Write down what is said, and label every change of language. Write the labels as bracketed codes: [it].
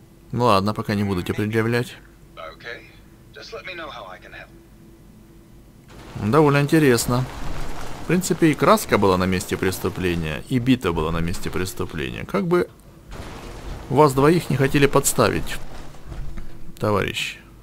[ru] Ну ладно, пока не буду тебе предъявлять. [en] Okay. Just let me know how I can help. [ru] Довольно интересно. В принципе, и краска была на месте преступления, и бита была на месте преступления. Как бы вас двоих не хотели подставить. товарищ.